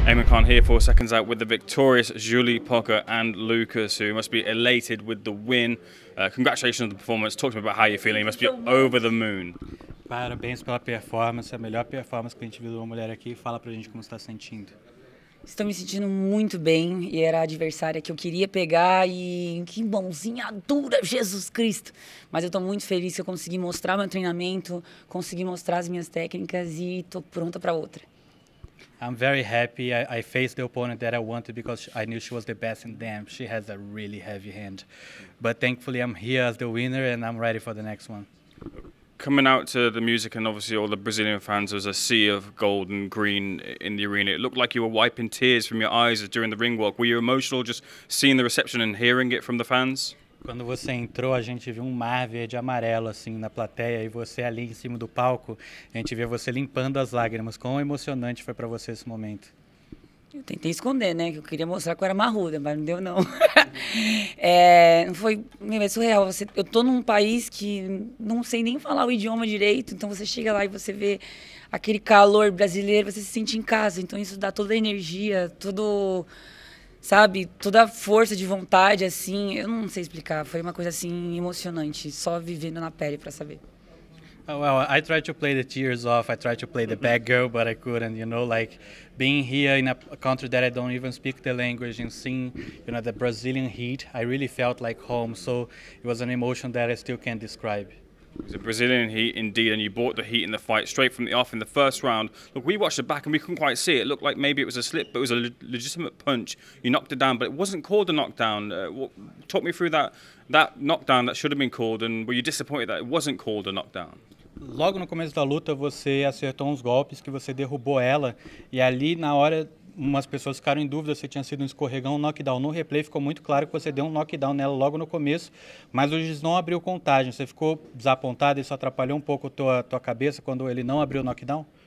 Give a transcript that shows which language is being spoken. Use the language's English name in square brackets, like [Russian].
[English] on here for Seconds Out with the victorious Jully Poca and Lucas, who must be elated with the win. Congratulations on the performance. Talk to me about how you're feeling. You must be over the moon. [Portuguese] Parabéns pela performance. É a melhor performance que a gente viu de uma mulher aqui. Fala pra gente como você tá sentindo. Estou me sentindo muito bem e era a adversária que eu queria pegar e que mãozinha dura, Jesus Cristo. Mas eu estou muito feliz que eu consegui mostrar meu treinamento, consegui mostrar as minhas técnicas e estou pronta para outra. [English] I'm very happy. I faced the opponent that I wanted because I knew she was the best in them. She has a really heavy hand. But thankfully I'm here as the winner and I'm ready for the next one. Coming out to the music and obviously all the Brazilian fans, there was a sea of gold and green in the arena. It looked like you were wiping tears from your eyes during the ring walk. Were you emotional just seeing the reception and hearing it from the fans? [Portuguese] Quando você entrou, a gente viu um mar verde amarelo assim na plateia e você ali em cima do palco, a gente vê você limpando as lágrimas. Quão emocionante foi para você esse momento? Eu tentei esconder, né? Que eu queria mostrar que eu era marruda, mas não deu, não. É surreal. Eu tô num país que não sei nem falar o idioma direito, então você chega lá e você vê aquele calor brasileiro, você se sente em casa. Então isso dá toda a energia, todo, sabe, toda a força de vontade, assim. Eu não sei explicar. Foi uma coisa, assim, emocionante. Só vivendo na pele pra saber. [English] Well, I tried to play the tears off, I tried to play the bad girl, but I couldn't, you know, like being here in a country that I don't even speak the language and seeing, you know, the Brazilian heat, I really felt like home. So it was an emotion that I still can't describe. It's a Brazilian heat indeed, and you brought the heat in the fight straight from the off in the first round. Look, we watched it back and we couldn't quite see it. It looked like maybe it was a slip, but it was a legitimate punch. You knocked it down, but it wasn't called a knockdown. Talk me through that knockdown that should have been called, and were you disappointed that it wasn't called a knockdown? [Portuguese] Logo no começo da luta, você acertou uns golpes que você derrubou ela. E ali, na hora, umas pessoas ficaram em dúvida se tinha sido um escorregão ou um knockdown. No replay, ficou muito claro que você deu um knockdown nela logo no começo. Mas o juiz não abriu contagem. Você ficou desapontado? Isso atrapalhou um pouco a tua cabeça quando ele não abriu o knockdown?